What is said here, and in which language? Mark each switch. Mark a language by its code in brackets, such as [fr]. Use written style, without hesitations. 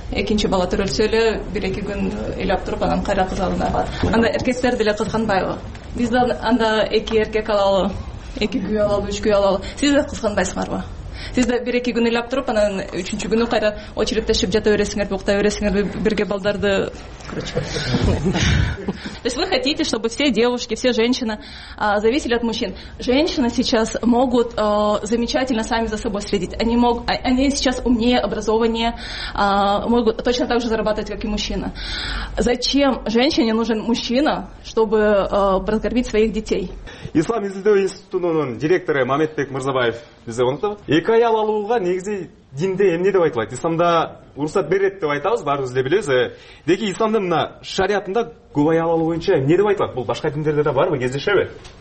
[ky] Экинчи бала төрөлсө эле бир эки күн ыйлап туруп анан кайра кыз алына. Анда эркектер деле кызганбайбы? Биз да анда эки эркек алалы, эки күйөө алалы, үч күйөө алалы. Сиз да кызганбайсыңарбы? Сиз да бир эки күн ыйлап туруп анан үчүнчү күнү кайра очередьтешип жата бересиңерби, уктай бересиңерби бирге балдарды? [ru] Короче, то есть вы хотите, чтобы все девушки, все женщины зависели от мужчин? Женщины сейчас могут замечательно сами за собой следить. Они сейчас умнее, образованнее, могут точно так же зарабатывать, как и мужчина. Зачем женщине нужен мужчина, чтобы прокормить своих детей? [ky] Ислам изилдөө институтунун директору Маметбек Мырзабаев бизге коноктоп, эки аял алууга негизи динде эмне деп айтылат? Исламда уруксат берет деп айтабыз, баарыбыз эле билебиз. Деги исламдын мына шариятында көп аял алуу боюнча эмне деп айтылат? Бул башка диндерде да барбы, кездешеби?